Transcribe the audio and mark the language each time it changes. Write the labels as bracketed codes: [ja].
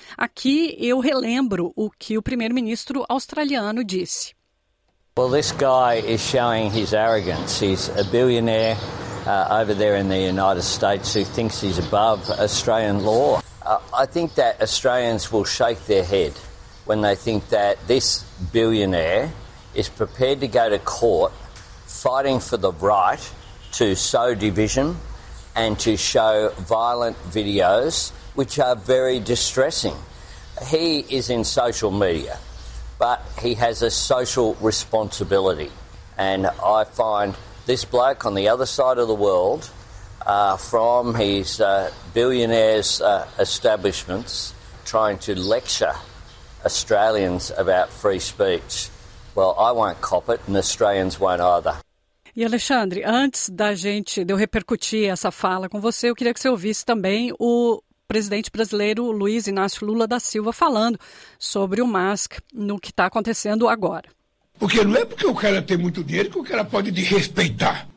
[pt] Aqui eu relembro o que o primeiro-ministro australiano disse. [en] Well, this guy is showing his arrogance. He's a billionaire over there in the United States who thinks he's above Australian law. I think that Australians will shake their head when they think that this billionaire is prepared to go to court fighting for the right to sow division and to show violent videos, which are very distressing. He is in social media, but he has a social responsibility. And I find this bloke on the other side of the world, from his billionaire's establishments, trying to lecture Australians about free speech. Well, I won't cop it, and Australians won't either. [pt] E, Alexandre, antes da gente de eu repercutir essa fala com você, eu queria que você ouvisse também o presidente brasileiro Luiz Inácio Lula da Silva falando sobre o Musk no que está acontecendo agora. Porque não é porque o cara tem muito dinheiro que o cara pode desrespeitar.